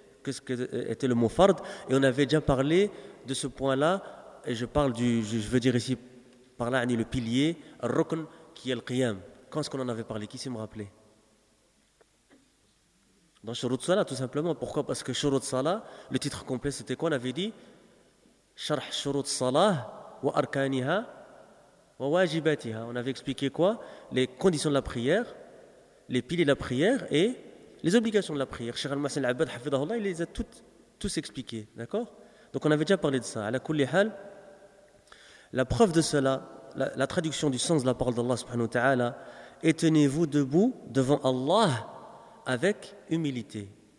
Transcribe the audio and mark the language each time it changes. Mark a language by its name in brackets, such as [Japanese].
[French] Qu'est-ce que était le mot fard? Et on avait déjà parlé de ce point-là. Et je parle du, je veux dire ici par là, le pilier, rukn, qui est le qiyam. Quand est-ce qu'on en avait parlé? Qui s'est me rappelé? Dans Shurut Salah, tout simplement. Pourquoi? Parce que Shurut Salah, le titre complet, c'était quoi? On avait dit [Arabic] شرح شروط الصلاه واركانها وواجباتها. [French] On avait expliqué quoi? Les conditions de la prière, les piliers de la prière et les obligations de la prière. Cheikh Al-Mohsen Al-Abad, hafidhahullah, il les a tous expliqués, d'accord? Donc on avait déjà parlé de ça. [Arabic] À la kulli hal, [French] la preuve de cela, la traduction du sens de la parole d'Allah subhanahu wa ta'ala, et tenez-vous debout devant Allah avec humilité.